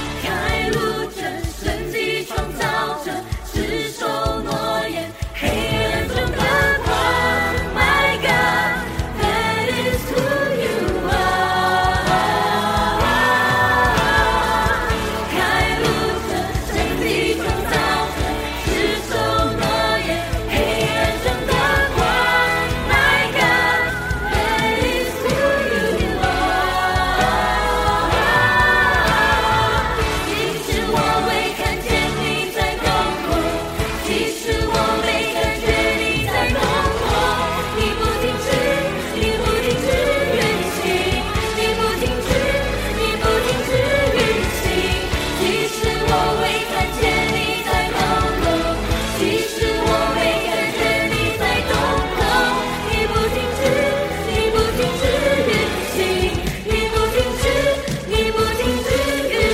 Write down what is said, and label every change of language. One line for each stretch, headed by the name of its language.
Chinese: 开路者，神迹创造者，执守诺言，黑暗中的光。
English: My God, that is who you are.
Chinese: 开路者，神迹创造者，执守诺言，黑暗中的光。
English: My God, that is who you are.
Chinese: 即使我未看见你在动工，即使我没感觉你在动工，你不停止，你不停止运行，你不停止，你不停止运行。即使我未看见你在动工，即使我没感觉你在动工，你不停止，你不停止运行，你不停止，你不停止运行。